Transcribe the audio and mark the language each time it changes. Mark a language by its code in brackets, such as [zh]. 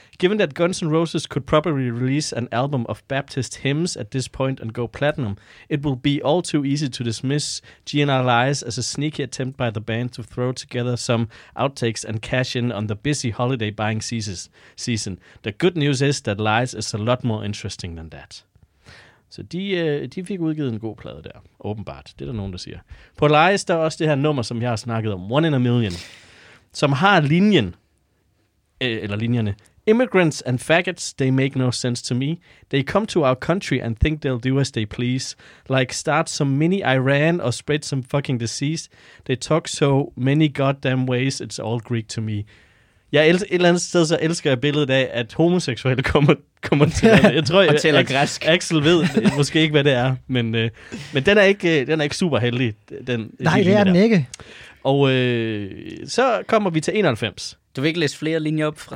[en] Given that Guns N' Roses could probably release an album of Baptist hymns at this point and go platinum, it will be all too easy to dismiss GNR Lies as a sneaky attempt by the band to throw together some outtakes and cash in on the busy holiday buying season. The good news is that Lies is a lot more interesting than that. [da] Så de fik udgivet en god plade der, åbenbart. Det er der nogen, der siger. På Lies, der er også det her nummer, som jeg har snakket om, One in a Million. Som har linjen, eller linjerne, [en] immigrants and faggots, they make no sense to me. They come to our country and think they'll do as they please. Like start some mini Iran or spread some fucking disease. They talk so many goddamn ways, it's all Greek to me. [da] Jeg et eller andet sted, så elsker jeg billedet af, at homoseksuelle kommer til landet. Jeg tror, og tæller græsk. Axel ved måske ikke, hvad det er, men den er ikke super heldig. Nej, det er den ikke. Og så kommer vi til 91. Du vil ikke læse flere linjer op fra